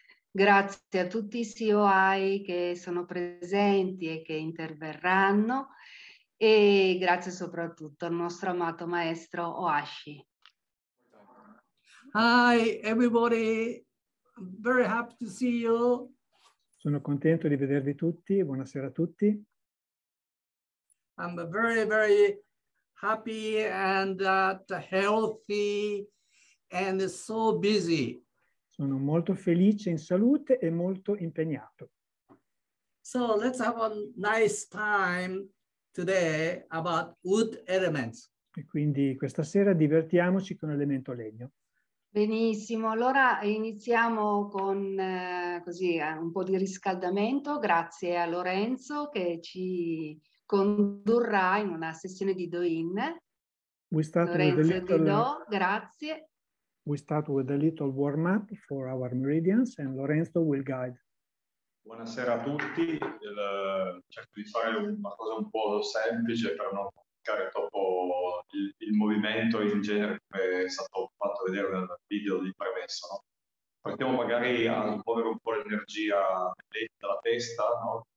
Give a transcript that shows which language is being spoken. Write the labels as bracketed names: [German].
[Italian] Grazie a tutti i COI che sono presenti e che interverranno e grazie soprattutto al nostro amato maestro Asci. [English] Hi everybody, very happy to see you. [Italian] Sono contento di vedervi tutti, buonasera a tutti. [English] I'm very, very happy and healthy and so busy. [Italian] Sono molto felice, in salute e molto impegnato. [English] So let's have a nice time today about wood elements. [Italian] E quindi questa sera divertiamoci con l'elemento legno. Benissimo, allora iniziamo con così, un po' di riscaldamento, grazie a Lorenzo che ci condurrà in una sessione di Doin. [English] We start with a [Italian] Lorenzo [English] little [Italian] Didò, grazie. [English] warm-up for our meridians and Lorenzo will guide. [Italian] Buonasera a tutti, cerco di fare una cosa un po' semplice per non toccare troppo il movimento in genere come è stato fatto vedere nel video di premessa. No? Partiamo magari a muovere un po' l'energia della testa, no?